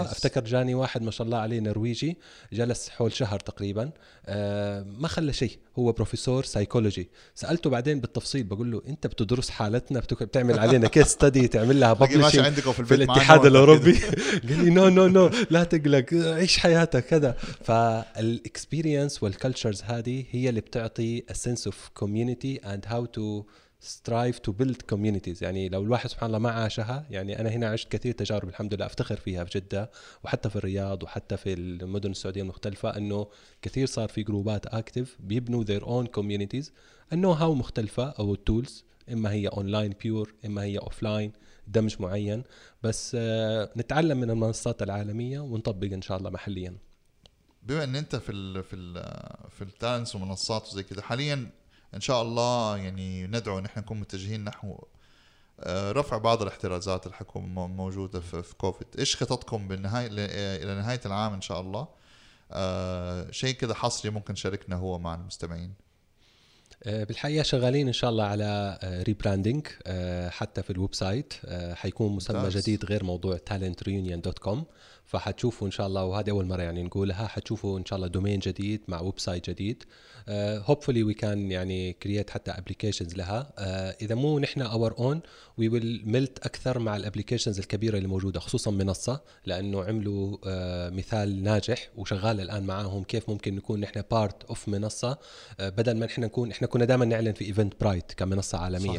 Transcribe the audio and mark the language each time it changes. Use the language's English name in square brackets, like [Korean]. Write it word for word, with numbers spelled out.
[Arabic] أفتكر جاني واحد ما شاء الله عليه نرويجي، جلس حول شهر تقريبا أه ما خلى شيء، هو بروفيسور سايكولوجي. سألته بعدين بالتفصيل، بقول له أنت بتدرس حالتنا، بتعمل علينا كيس ستدي، تعمل لها ببلشينج في, في الاتحاد الأوروبي. قال لي نو نو نو لا تقلق، عيش حياتك كذا. فالإكسبيرينس والكالتشرز هذه هي اللي بتعطي [English] a sense of community and how to strive to build communities. [Arabic] يعني لو الواحد سبحان الله ما عاشها، يعني أنا هنا عشت كثير تجارب الحمد لله أفتخر فيها في جدة وحتى في الرياض وحتى في المدن السعودية المختلفة، أنه كثير صار في جروبات أكتف بيبنوا [English] their own communities. [Arabic] النو هاو مختلفة، أو التولز إما هي أونلاين بيور إما هي أوفلاين دمج معين، بس نتعلم من المنصات العالمية ونطبق إن شاء الله محليا. بما ان انت في ال في ال في التالنس ومنصات وزي كده حاليا، ان شاء الله يعني ندعو ان احنا نكون متجهين نحو رفع بعض الاحترازات الحكومه موجوده في كوفيد. ايش خططكم بالنهايه الى نهايه العام ان شاء الله؟ شيء كده حصري ممكن شاركنا هو مع المستمعين. بالحقيقة شغالين إن شاء الله على ريبراندينج حتى في الويب سايت، حيكون مسمى جديد غير موضوع تالنت ريونيون دوت كوم، فحتشوفوا إن شاء الله، وهذه أول مرة يعني نقولها، حتشوفوا إن شاء الله دومين جديد مع ويب سايت جديد. [English] hopefully we can [Arabic] يعني [English] create حتى applications لها. [Arabic] إذا مو نحن [English] our own we will melt [Arabic] أكثر مع الابليكيشنز الكبيرة اللي موجودة، خصوصا منصة، لأنه عملوا مثال ناجح وشغال الآن معاهم كيف ممكن نكون نحن [English] part of [Arabic] منصة، بدل ما نحن نكون نحن كنا دائما نعلن في ايفنت برايد كمنصة عالمية.